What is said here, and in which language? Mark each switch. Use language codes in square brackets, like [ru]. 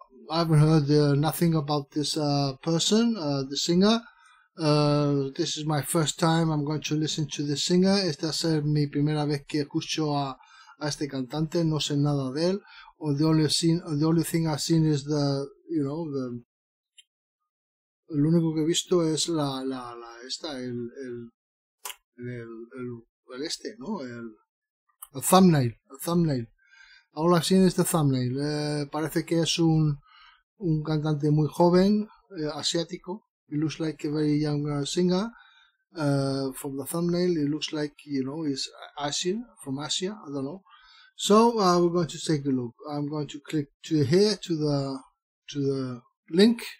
[en] I haven't heard nothing about this person, the singer. This is my first time I'm going to listen to the singer. [es] Esta es mi primera vez que escucho a este cantante. No sé nada de él. [en] The only thing I've seen is the, you know, the, [es] el único que he visto es el thumbnail. [en] All I've seen is the thumbnail. [es] Parece que es un cantante muy joven, asiático. [en] It looks like a very young singer. From the thumbnail, it looks like, you know, he's Asian, from Asia, I don't know. So we're going to take a look. I'm going to click to here to the link.